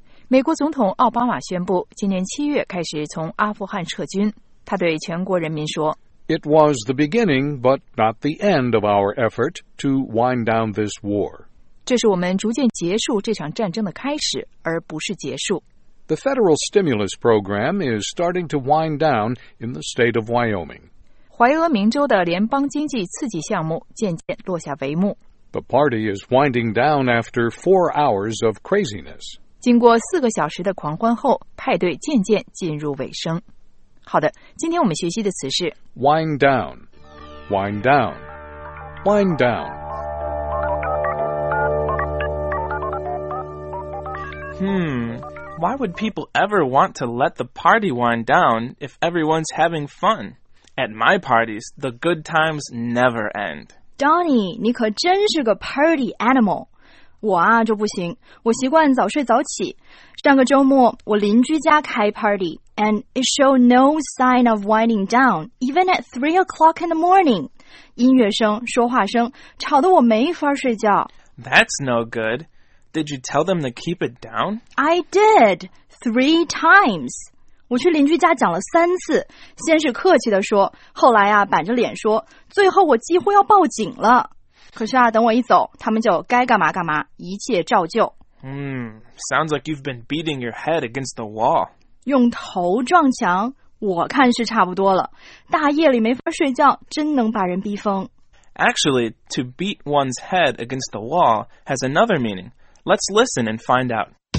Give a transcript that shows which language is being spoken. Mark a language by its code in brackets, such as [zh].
[zh] 美国总统奥巴马宣布今年七月开始从阿富汗撤军。他对全国人民说， [en] It was the beginning but not the end of our effort to wind down this war. [zh] 这是我们逐渐结束这场战争的开始，而不是结束。 [en] The federal stimulus program is starting to wind down in the state of Wyoming. [zh] 怀俄明州的联邦经济刺激项目渐渐落下帷幕。 [en] The party is winding down after 4 hours of craziness. [zh] 经过四个小时的狂欢后，派对渐渐进入尾声。好的，今天我们学习的词是 [en] wind down, wind down, wind down. Why would people ever want to let the party wind down if everyone's having fun? At my parties, the good times never end. [zh] Donny, 你可真是个 [en] party animal. [zh] 我啊就不行，我习惯早睡早起。上个周末我邻居家开 [en] party, and it showed no sign of winding down, even at 3 o'clock in the morning. [zh] 音乐声、说话声吵得我没法睡觉。 [en] That's no good. Did you tell them to keep it down? I did, 3 times. [zh] 我去邻居家讲了三次，先是客气地说，后来啊板着脸说，最后我几乎要报警了。可是啊，等我一走，他们就该干嘛干嘛，一切照旧。 [en] Sounds like you've been beating your head against the wall. [zh] 用头撞墙，我看是差不多了。大夜里没法睡觉，真能把人逼疯。 [en] Actually, to beat one's head against the wall has another meaning. Let's listen and find out.